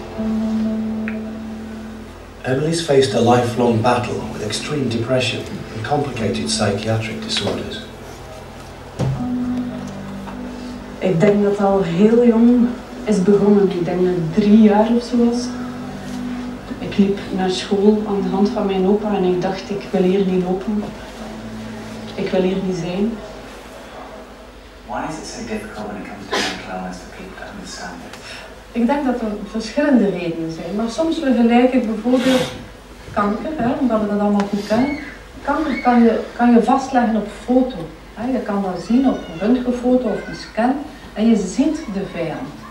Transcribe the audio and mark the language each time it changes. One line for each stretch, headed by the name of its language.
English: Emily's faced a lifelong battle with extreme depression and complicated psychiatric disorders.
Dutch: Ik denk dat al heel jong is begonnen. Ik denk dat 3 jaar of zo was. Ik liep naar school aan de hand van mijn opa en ik dacht, ik wil hier niet lopen. Ik wil hier niet zijn.
English: Why is it so difficult when it comes to mental illness for people to understand it?
Dutch: Ik denk dat er verschillende redenen zijn, maar soms vergelijk ik bijvoorbeeld kanker, hè, omdat we dat allemaal goed kennen. Kanker kan je vastleggen op foto. Hè. Je kan dat zien op een röntgenfoto of een scan en je ziet de vijand.